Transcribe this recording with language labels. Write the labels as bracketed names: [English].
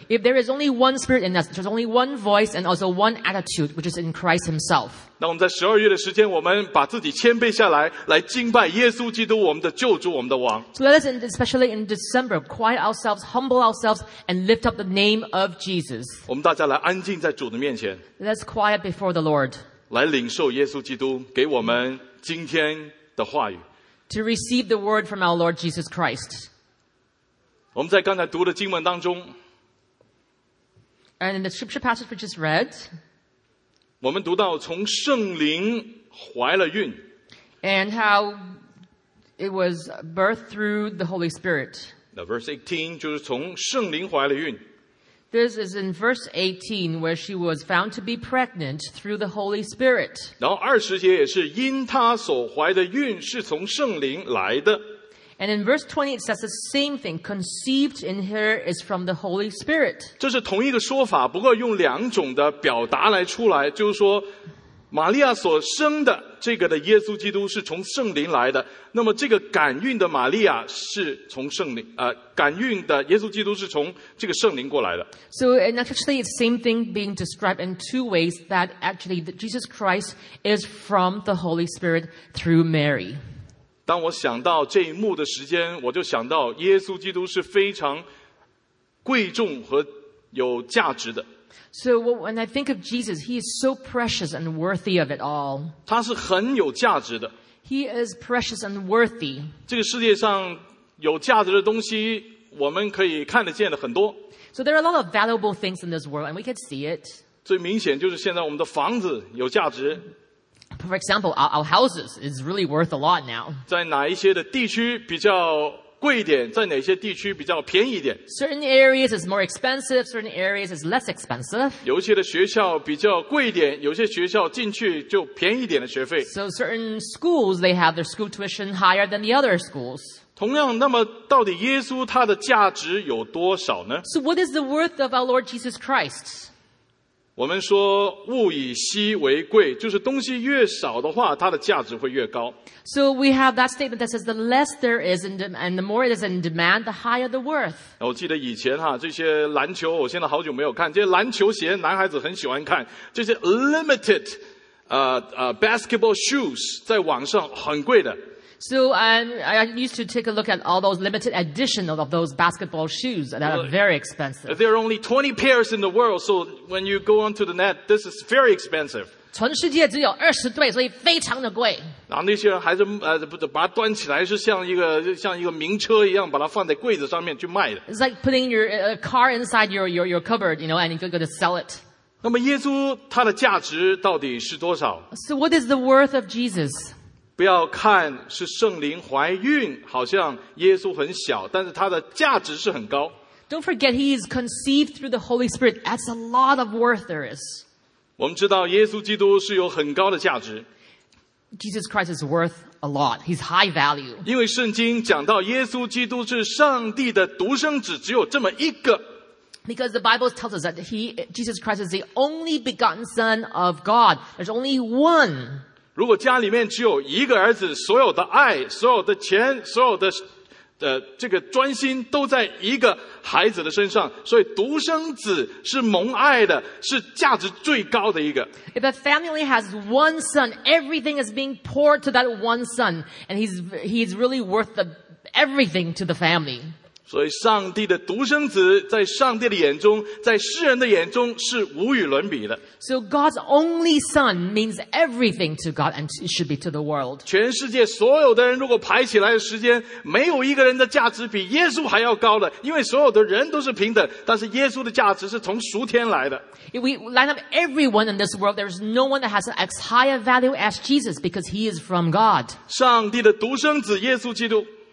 [English] If there is only one spirit in us, there's only one voice and also one attitude, which is in Christ himself. [Chinese] 那我们在12月的时间，我们把自己谦卑下来，来敬拜耶稣基督，我们的救主，我们的王。 [English] So let us, especially in December, quiet ourselves, humble ourselves, and lift up the name of Jesus. [Chinese] 我们大家来安静在主的面前。 [English] Let's quiet before the Lord. [Chinese] 来领受耶稣基督给我们今天的话语。 [English] To receive the word from our Lord Jesus Christ. [Chinese] 我们在刚才读的经文当中， [English] And in the scripture passage we just read, [Chinese] 我们读到从圣灵怀了孕 [English] and how it was birthed through the Holy Spirit. Now, verse 18, [Chinese] 就是从圣灵怀了孕 [English] This is in verse 18, where she was found to be pregnant through the Holy Spirit. [Chinese] 然后二十节也是因她所怀的孕是从圣灵来的 [English] And in verse 20, it says the same thing. Conceived in her is from the Holy Spirit. [Chinese] 这是同一个说法，不过用两种的表达来出来，就是说，玛利亚所生的这个的耶稣基督是从圣灵来的。那么这个感孕的玛利亚是从圣灵，感孕的耶稣基督是从这个圣灵过来的。 [English] So, and actually, it's the same thing being described in two ways that actually Jesus Christ is from the Holy Spirit through Mary. [Chinese] 当我想到这一幕的时间，我就想到耶稣基督是非常贵重和有价值的。 [English] So when I think of Jesus, he is so precious and worthy of it all. [Chinese] 他是很有价值的。 [English] He is precious and worthy. [Chinese] 这个世界上有价值的东西，我们可以看得见的很多。 [English] So there are a lot of valuable things in this world, and we can see it. [Chinese] 最明显就是现在我们的房子有价值。 [English] For example, our houses is really worth a lot now. [Chinese] 在哪一些的地区比较贵一点，在哪些地区比较便宜一点？ [English] Certain areas is more expensive, certain areas is less expensive. [Chinese] 有些的学校比较贵一点，有些学校进去就便宜一点的学费。 [English] So certain schools, they have their school tuition higher than the other schools. [Chinese] 同样，那么到底耶稣他的价值有多少呢？ [English] So what is the worth of our Lord Jesus Christ? [Chinese] 我们说物以稀为贵，就是东西越少的话，它的价值会越高。 [English] So we have that statement that says the less there is in demand, and the more it is in demand, the higher the worth. [Chinese] 我记得以前哈，这些篮球，我现在好久没有看，这些篮球鞋，男孩子很喜欢看，这些 [English] limited, basketball shoes [Chinese] 在网上很贵的。 [English] So I used to take a look at all those limited edition of those basketball shoes that are very expensive. There are only 20 pairs in the world, so when you go onto the net, this is very expensive. [Chinese] 全世界只有二十对，所以非常的贵。然后那些人还是把它端起来，是像一个名车一样，把它放在柜子上面去卖的。 [English] It's like putting your car inside your cupboard, you know, and you're going to sell it. [Chinese] 那么耶稣他的价值到底是多少 [English] ？So what is the worth of Jesus? [Chinese] 不要看是圣灵怀孕，好像耶稣很小，但是他的价值是很高。 [English] Don't forget he is conceived through the Holy Spirit. That's a lot of worth there is. [Chinese] 我们知道耶稣基督是有很高的价值。 [English] Jesus Christ is worth a lot. He's high value. [Chinese] 因为圣经讲到耶稣基督是上帝的独生子，只有这么一个。 [English] Because the Bible tells us that he, Jesus Christ is the only begotten Son of God. There's only one. [Chinese] 如果家里面只有一个儿子，所有的爱，所有的钱，所有的这个专心都在一个孩子的身上，所以独生子是蒙爱的，是价值最高的一个。 [English] If a family has one son, everything is being poured to that one son, and he's really worth everything to the family. [Chinese] 所以上帝的独生子在上帝的眼中，在世人的眼中是无与伦比的。 [English] So God's only son means everything to God and it should be to the world. [Chinese] 全世界所有的人如果排起来的时间，没有一个人的价值比耶稣还要高的，因为所有的人都是平等，但是耶稣的价值是从属天来的。 [English] If we line up everyone in this world, there is no one that has as high a value as Jesus because he is from God. [Chinese] 上帝的独生子耶稣基督，